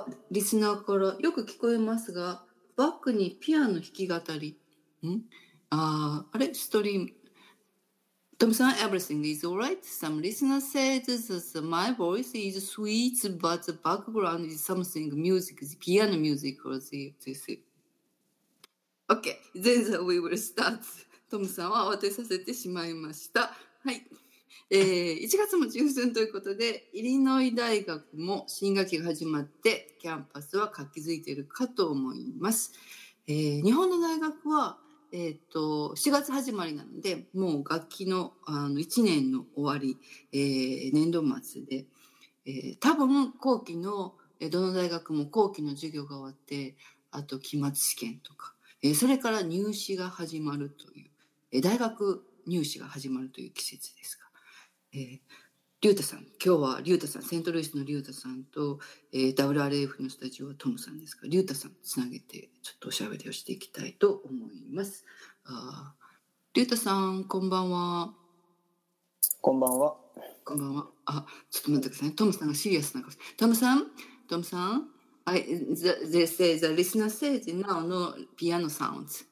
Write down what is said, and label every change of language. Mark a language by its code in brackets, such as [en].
[ja] リスナーからよく聞こえますが、バックにピアノ弾き語り。あれストリーム。 [en] トムさん、everything is alright. Some listener says that my voice is sweet, but the background is something music, piano music or this. Okay, then we will start. [ja] トムさんは慌てさせてしまいました。はい。1月も中旬ということで、イリノイ大学も新学期が始まってキャンパスは活気づいているかと思います。日本の大学は、7月始まりなので、もう学期 の1年の終わり、年度末で、多分後期のどの大学も後期の授業が終わって、あと期末試験とか、それから入試が始まるという、大学入試が始まるという季節ですか。リュウタさん、今日はリュウタさん、セントルイスのリュウタさんと、WRF のスタジオはトムさんですが、リュウタさんつなげてちょっとおしゃべりをしていきたいと思います。リュウタさん、こんばんは。こんばんは。こんばんは。あ、ちょっと待ってくださいね。トムさんがシリアスな顔。 [en] トムさん They say the listener says now no piano sounds.